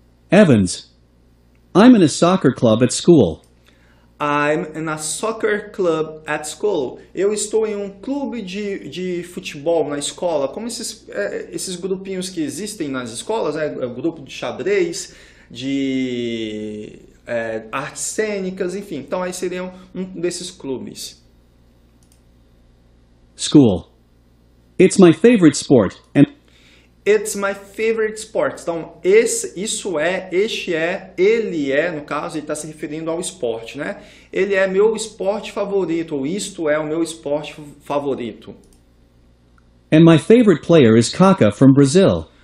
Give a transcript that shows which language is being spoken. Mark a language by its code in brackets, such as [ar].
[en] Evans. I'm in a soccer club at school. I'm in a soccer club at school. [pt] Eu estou em um clube de futebol na escola. Como esses grupinhos que existem nas escolas, né? É um grupo de xadrez, de artes cênicas, enfim. Então, aí seria um desses clubes. [en] School. It's my favorite sport. And it's my favorite sport. [pt] Então, ele é, no caso, ele está se referindo ao esporte, né? Ele é meu esporte favorito, ou isto é o meu esporte favorito. [en] And my favorite player is Kaká from Brazil.